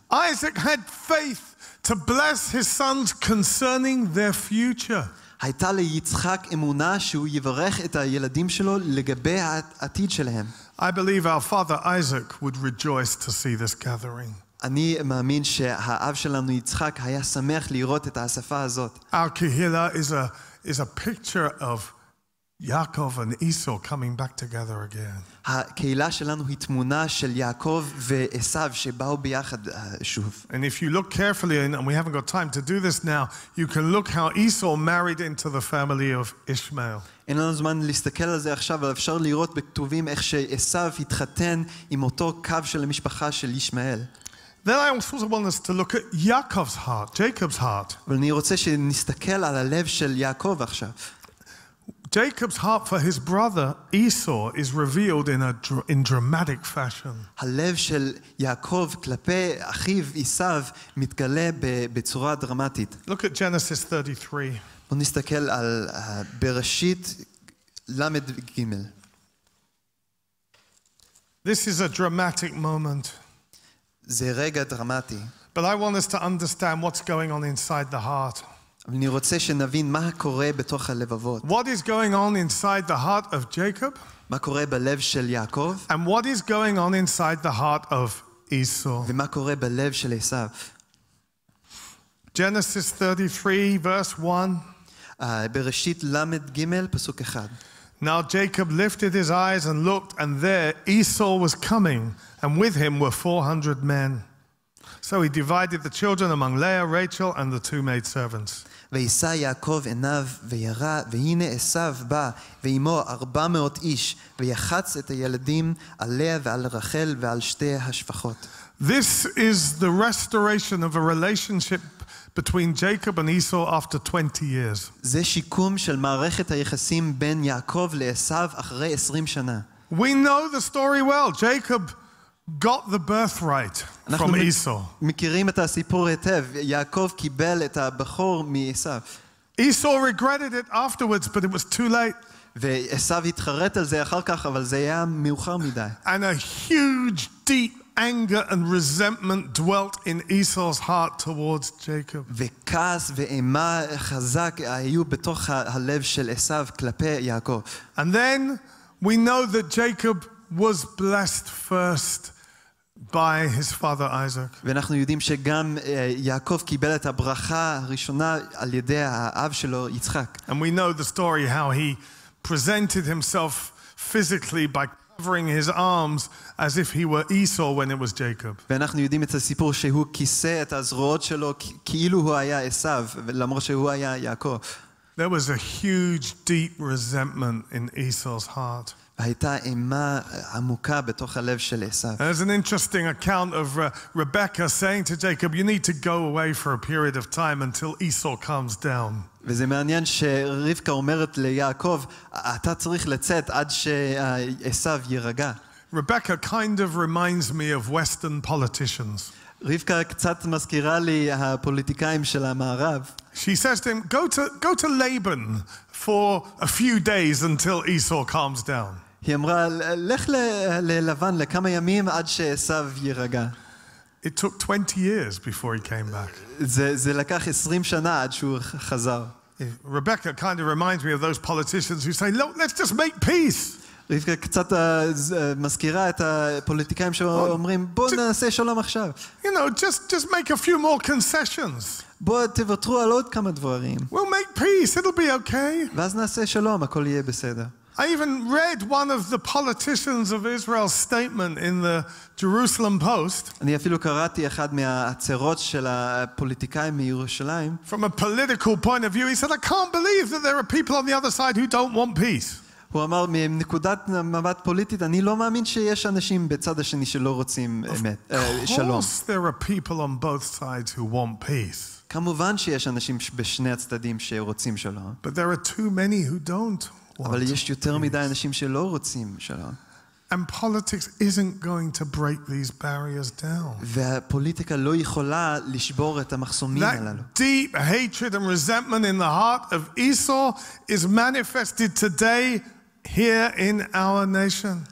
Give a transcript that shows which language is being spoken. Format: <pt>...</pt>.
<en>Isaac had faith to bless his sons concerning their future.</en> <he>הייתה ליצחק אמונה שהוא יברך את הילדים שלו לגבי העתיד שלהם.</he> <en>I believe our father Isaac would rejoice to see this gathering.</en> <he>אני מאמין שהאב שלנו יצחק היה שמח לראות את האספה הזאת.</he> <en>Our Kehillah is a picture of Yaakov and Esau coming back together again.</en> <he>הקהילה שלנו היא תמונה של יעקב ועשיו שבאו ביחד שוב.</he> <en>And if you look carefully, and we haven't got time to do this now, you can look how Esau married into the family of Ishmael.</en> <he>אין לנו זמן להסתכל על זה עכשיו, אבל אפשר לראות בכתובים איך שעשיו התחתן עם אותו קו של המשפחה של ישמעאל.</he> <en>Then I also want us to look at Yaakov's heart, Jacob's heart.</en> <he>אבל אני רוצה שנסתכל על הלב של יעקב עכשיו.</he> <en>Jacob's heart for his brother Esau is revealed in dramatic fashion.</en> <he>הלב של יעקב כלפי אחיו עשיו מתגלה בצורה דרמטית.</he> <en>Look at Genesis 33.</en> <he>בוא נסתכל על בראשית למד גימל.</he> <en>This is a dramatic moment.</en> <he>זה רגע דרמטי.</he> <en>But I want us to understand what's going on inside the heart.</en> <he>אני רוצה שנבין מה קורה בתוך הלבבות.</he> <en>What is going on inside the heart of Jacob?</en> <he>מה קורה בלב של יעקב?</he> <en>And what is going on inside the heart of Esau?</en> <he>ומה קורה בלב של עשיו?</he> <en>Genesis 33:1.</en> <he>בראשית למד גימל פסוק אחד.</he> <en>Now Jacob lifted his eyes and looked, and there Esau was coming, and with him were 400 men. So he divided the children among Leah, Rachel, and the two maidservants.</en> <he>וישא יעקב עיניו וירא, והנה עשיו בא, ועמו 400 איש, ויחץ את הילדים על לאה ועל רחל ועל שתי השפחות.</he> <en>This is the restoration of a relationship between Jacob and Esau after 20 years.</en> <he>זה שיקום של מערכת היחסים בין יעקב לעשיו אחרי 20 שנה.</he> <en>We know the story well. Jacob got the birthright from Esau.</en> <he>מכירים את הסיפור היטב. יעקב קיבל את הבכור מעשיו.</he> <en>Esau regretted it afterwards, but it was too late.</en> <he>ועשיו התחרט על זה אחר כך, אבל זה היה מאוחר מדי.</he> <en>And a huge, deep anger and resentment dwelt in Esau's heart towards Jacob.</en> <he>וכעס ואימה חזק היו בתוך הלב של עשיו כלפי יעקב.</he> <en>And then we know that Jacob was blessed first by his father Isaac.</en> <he>ואנחנו יודעים שגם יעקב קיבל את הברכה הראשונה על ידי האב שלו יצחק.</he> <en>And we know the story how he presented himself physically by covering his arms as if he were Esau when it was Jacob.</en> <he>ואנחנו יודעים את הסיפור שהוא כיסה את הזרועות שלו כאילו הוא היה עשיו למרות שהוא היה יעקב.</he> <en>There was a huge deep resentment in Esau's heart.</en> <he>הייתה אימה עמוקה בתוך הלב של עשיו.</he> <en>There's an interesting account of Rebecca saying to Jacob, you need to go away for a period of time until Esau comes down.</en> <he>וזה מעניין שרבקה אומרת ליעקב, אתה צריך לצאת עד שעשיו יירגע.</he> <en>Rebecca kind of reminds me of Western politicians.</en> <he>רבקה קצת מזכירה לי הפוליטיקאים של המערב.</he> <en>She says to him, go to Laban for a few days until Esau calms down.</en> <he>היא אמרה, לך ללבן לכמה ימים עד שעשיו יירגע.</he> <en>It took 20 years before he came back.</en> <he>זה לקח 20 שנה עד שהוא חזר.</he> <en>Rebecca kind of reminds me of those politicians who say, look, let's just make peace.</en> <he>רבקה קצת מזכירה את הפוליטיקאים שאומרים, בוא נעשה שלום עכשיו.</he> <en>You know, just make a few more concessions.</en> <he>בוא תוותרו על עוד כמה דברים.</he> <en>We'll make peace, it'll be okay.</en> <he>ואז נעשה שלום, הכל יהיה בסדר.</he> <en>I even read one of the politicians of Israel's statement in the Jerusalem Post.</en> <he>אני אפילו קראתי אחד מהעצרות של הפוליטיקאים מירושלים.</he> <en>From a political point of view, he said, I can't believe that there are people on the other side who don't want peace.</en> <he>הוא אמר, מנקודת מבט פוליטית, אני לא מאמין שיש אנשים בצד השני שלא רוצים אמת, שלום.</he> <en>Of course there are people on both sides who want peace.</en> <he>כמובן שיש אנשים בשני הצדדים שרוצים שלום.</he> <en>But there are too many who don't want peace.</en> <he>אבל יש יותר מדי אנשים שלא רוצים שלום.</he> <en>And politics isn't going to break these barriers down.</en> <he>והפוליטיקה לא יכולה לשבור את המחסומים הללו.</he> <en>That deep hatred and resentment in the heart of Esau is manifested today here in our nation.</en>